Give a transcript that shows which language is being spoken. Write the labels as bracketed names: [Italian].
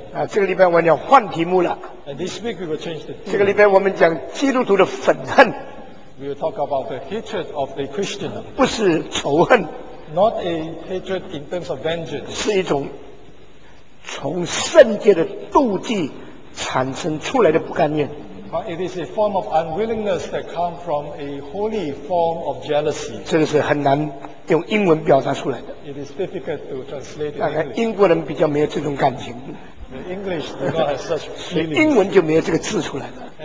[Chinese] 啊，这个礼拜我们要换题目了。 [English] And this week we will change the theme。 [Chinese] 这个礼拜我们讲基督徒的愤恨。 [English] We will talk about the hatred of the Christian。 [Chinese] 不是仇恨。 [English] Not a hatred in terms of vengeance。 [Chinese] 是一种从圣洁的妒忌产生出来的不甘愿。 [English] But it is a form of unwillingness that comes from a holy form of jealousy. [Chinese] 这个是很难用英文表达出来的。 [English] It is difficult to translate. 大 [Chinese] 概英国人比较没有这种感情。 [English] The English do not have such feelings. [Chinese] 英文就没有这个字出来的。